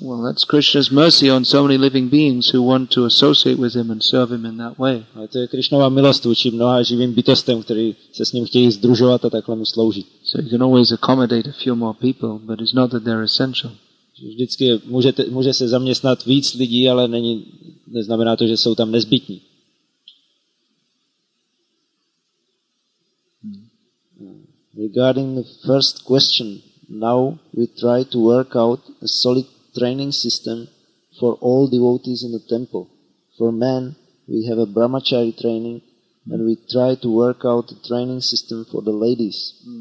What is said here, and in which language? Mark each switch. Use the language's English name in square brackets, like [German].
[English] Well, that's Krishna's mercy on so many living beings who want to associate with him and serve him in that way. [Czech] A to je Krishnova milost vůči mnoha živým bytostem, kteří se s ním chtějí sdružovat a takhle mu sloužit. [English] So you can always accommodate a few more people, but it's not that they're essential. [Czech] Vždycky může se zaměstnat víc lidí, ale neznamená to, že jsou tam nezbytní. [English] Regarding the first question, now we try to work out a solid training system for all devotees in the temple. For men, we have a brahmachari training, and we try to work out a training system for the ladies.